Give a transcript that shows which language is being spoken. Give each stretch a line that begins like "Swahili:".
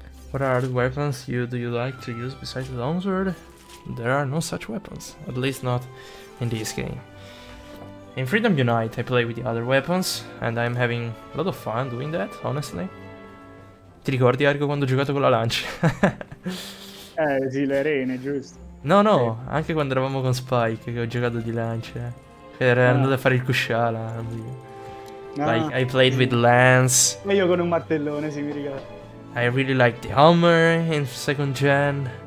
English: What are the weapons do you like to use besides the longsword? There are no such weapons, at least not in this game. In Freedom Unite I play with the other weapons and I'm having a lot of fun doing that, honestly.
Italian: Ti ricordi, Argo, quando ho giocato con la Lancia? sì, le rene, giusto? No, no, sì. Anche quando eravamo con Spike, che ho giocato di Lancia. Per andare a fare il Kushala. No.
English: Like, I played with Lance.
Italian: Ma io con un martellone, sì, mi ricordo.
English: I really like the Hummer in second gen.